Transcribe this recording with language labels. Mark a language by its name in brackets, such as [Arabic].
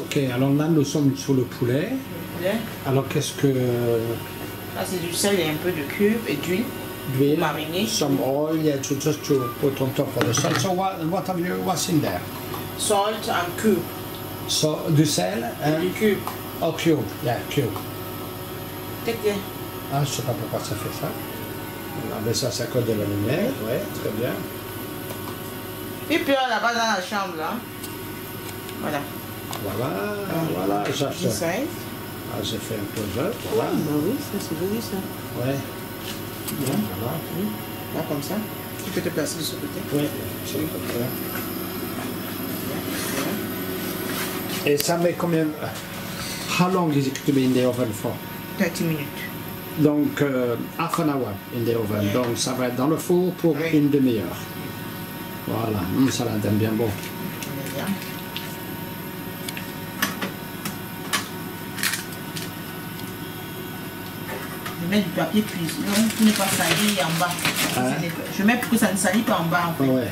[French] Okay, alors là, nous sommes sur le poulet. [English] Yeah. [French] Alors, qu'est-ce que... Ah, c'est du sel et un peu de cube et d'huile. D'huile, mariné. [English] Some oil, yeah, to put on top of the salt. So what have you, what's in there? Salt and cube. [French] So, du sel and... Du cube. [English] Oh, cube, yeah, cube. Tic-tic. [French] Ah, je ne sais pas pourquoi ça fait ça. Non, mais ça, c'est à cause de la lumière, oui, très bien. Il pleut là-bas dans la chambre, là. Voilà. Voilà, voilà, j'achète. Ah, j'ai fait un peu de jeu, voilà. Oh, bah oui, ça, c'est joli, ça. Ouais. Là, comme ça, tu peux te placer de ce côté. Oui, c'est comme ça. Et ça met combien... [English] How long is it to be in the oven for? 30 minutes. Donc, half an hour in the oven. Yeah. [French] Donc, ça va être dans le four pour oui. Une demi-heure. Voilà, ça la donne bien beau. Je mets du papier cuisine, non, tout n'est pas sali en bas. Hein? Je mets pour que ça ne salit pas en bas en fait.